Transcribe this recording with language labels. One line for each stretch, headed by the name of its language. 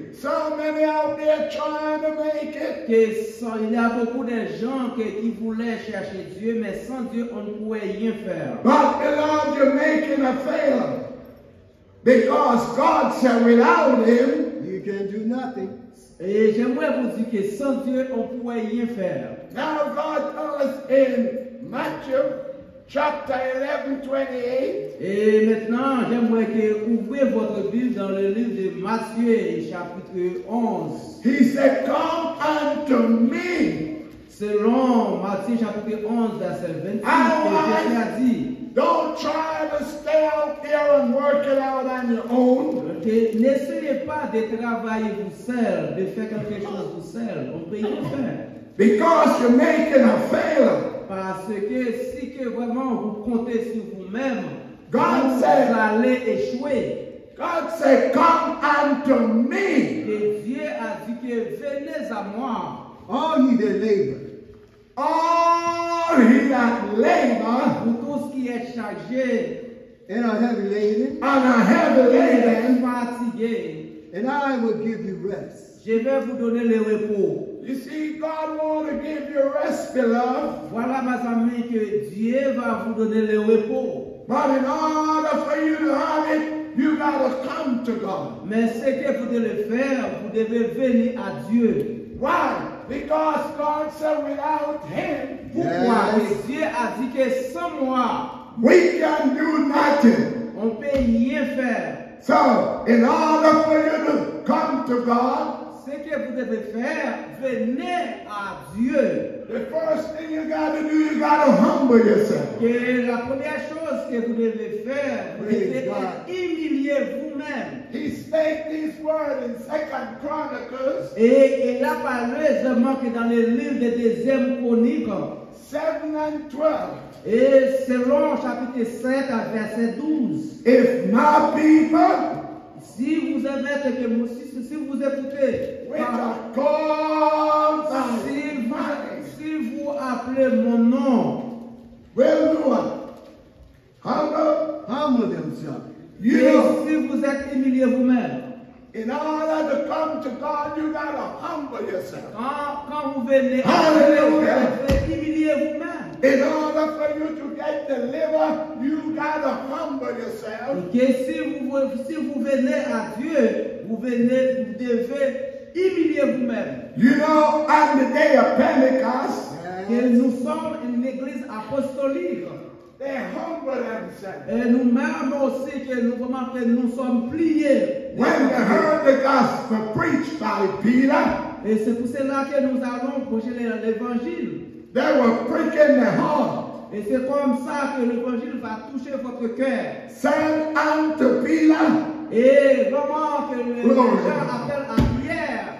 English: So many out there trying to make it.
French: Que sans, il y a beaucoup de gens qui voulaient chercher Dieu, mais sans Dieu, on ne pouvait rien faire.
English: But the Lord, you're making a failure. Because God said, without him, you can do nothing.
French: Et j'aimerais vous dire que sans Dieu, on ne pouvait rien faire.
English: Now God tells us in Matthew chapter 11, 28.
French: Et maintenant, j'aimerais que ouvrez votre Bible dans le livre de Matthieu, chapitre 11.
English: He said, come unto me.
French: Selon Matthieu, chapitre 11, verset
English: 28,
French: il a dit,
English: don't try to stay out there and work it out on your own.
French: N'essayez pas de travailler vous seul, de faire quelque chose vous seul. On peut y faire.
English: Because you're making a failure.
French: Parce que si que vraiment vous comptez sur vous-même,
English: God
French: vous
English: said,
French: allez échouer.
English: God said, come unto me.
French: Et Dieu a dit que venez à moi.
English: All ye that labor. All ye that labor.
French: Vous tous qui êtes chargés.
English: And are heavy laden. And are heavy laden. And I will give you rest.
French: Je vais vous donner le repos.
English: You see, God wants to give you rest, beloved.
French: Voilà, mes amis, que Dieu va vous donner le repos.
English: But in order for you to have it, you gotta come to God.
French: Mais ce que vous devez faire, vous devez venir à Dieu.
English: Why? Because God said without him.
French: Pourquoi? Yes. Dieu a dit que sans moi,
English: we can do nothing.
French: On peut rien faire.
English: So, in order for you to come to God,
French: ce que vous devez faire, venez à Dieu.
English: The first thing you got to do, you got to humble yourself.
French: Et la première chose que vous devez faire, c'est humilier vous-même.
English: He spake this word in 2 Chronicles.
French: Et il a parlé seulement dans le livre de deuxième Chronicles.
English: 7 and 12.
French: Et selon chapitre 7 à verset 12.
English: If my people,
French: si vous aimez que vous, si vous écoutez,
English: which are called by my name,
French: si vous appelez mon nom,
English: will do what? Humble themselves. You know,
French: si vous êtes humilié vous-même.
English: In order to come to God, you gotta humble yourself.
French: Quand vous venez, hallelujah, humiliez vous-même.
English: In order for you to get delivered, you gotta humble yourself.
French: Que si vous venez à Dieu, vous devez humilier vous-même.
English: You know, on the day of Pentecost,
French: yes, que nous sommes in l'église apostolique.
English: They humble themselves.
French: Et nous-mêmes aussi que nous sommes pliés.
English: When they heard the gospel preached by Peter,
French: et c'est pour cela que nous allons prêcher l'évangile.
English: They were pricking the heart.
French: Et c'est comme ça que l'évangile va toucher votre cœur.
English: Send unto Peter.
French: Et vraiment que le Seigneur appelle à prière.